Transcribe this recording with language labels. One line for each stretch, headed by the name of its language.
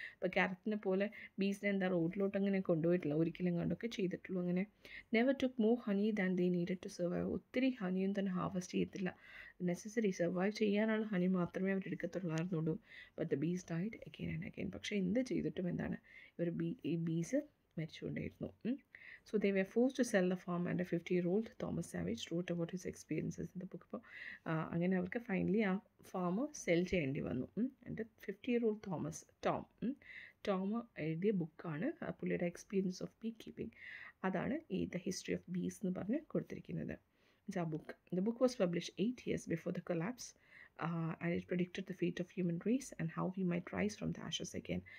Malayalam: ഇപ്പോൾ കാരറ്റിനെ പോലെ ബീസിനെ എന്താ റോഡിലോട്ട് അങ്ങനെ കൊണ്ടുപോയിട്ടില്ല, ഒരിക്കലും കണ്ടൊക്കെ ചെയ്തിട്ടുള്ളൂ. അങ്ങനെ
English: Never took more honey than they needed to survive.
Malayalam: ഒത്തിരി ഹണിയും തന്നെ ഹാർവസ്റ്റ് ചെയ്യത്തില്ല, നെസസറി സർവൈവ് ചെയ്യാനുള്ള ഹണി മാത്രമേ അവരെടുക്കത്തുള്ളായിരുന്നുള്ളൂ.
English: But the bees died again and again.
Malayalam: പക്ഷേ എന്ത് ചെയ്തിട്ടും എന്താണ് ഇവർ ഈ ബീസ് മരിച്ചുകൊണ്ടേയിരുന്നു.
English: So they were forced to sell the farm and a 50-year-old Thomas Savage wrote about his experiences in the book.
Malayalam: അപ്പോൾ അങ്ങനെ അവർക്ക് ഫൈനലി ആ ഫാം സെൽ ചെയ്യേണ്ടി വന്നു. എൻ്റെ 50-year-old തോമസ് ടോം എഴുതിയ ബുക്കാണ് പുള്ളിയുടെ എക്സ്പീരിയൻസ് ഓഫ് ബീ കീപ്പിംഗ്. അതാണ് ഈ ദ ഹിസ്റ്ററി ഓഫ് ബീസ് എന്ന് പറഞ്ഞ് കൊടുത്തിരിക്കുന്നത്.
English: ആ book the book was publish 8 years before the collapse and it predicted the fate of human race and how hue might rise from the ashes again.